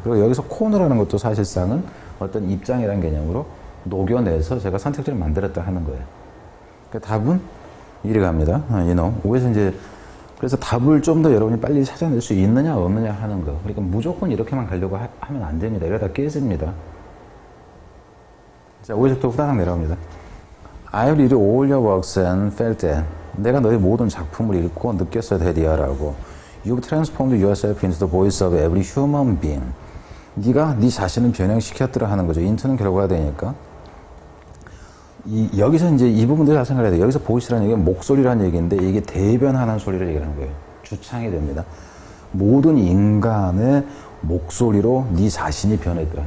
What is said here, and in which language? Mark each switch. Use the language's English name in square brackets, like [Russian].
[Korean] 그리고 여기서 corner라는 것도 사실상은 어떤 입장이라는 개념으로 녹여내서 제가 선택지를 만들었다 하는 거예요. 그러니까 답은 이리 갑니다. 5에서 이제, 그래서 답을 좀 더 여러분이 빨리 찾아낼 수 있느냐, 없느냐 하는 거. 그러니까 무조건 이렇게만 가려고 하면 안 됩니다. 이러다 깨집니다. 자, 5에서부터 후다닥 내려옵니다. [English] I read all your works and felt it. [Korean] 내가 너의 모든 작품을 읽고 느꼈어야 되리야 라고. [English] You've transformed yourself into the voice of every human being. [Korean] 네가 네 자신을 변형시켰더라 하는 거죠. 인트는 결과가 되니까. 여기서 이제 이 부분도 잘 생각해야 돼요. 여기서 보이스라는 얘기는 목소리라는 얘기인데 이게 대변하는 소리를 얘기하는 거예요. 주창이 됩니다. 모든 인간의 목소리로 네 자신이 변했더라.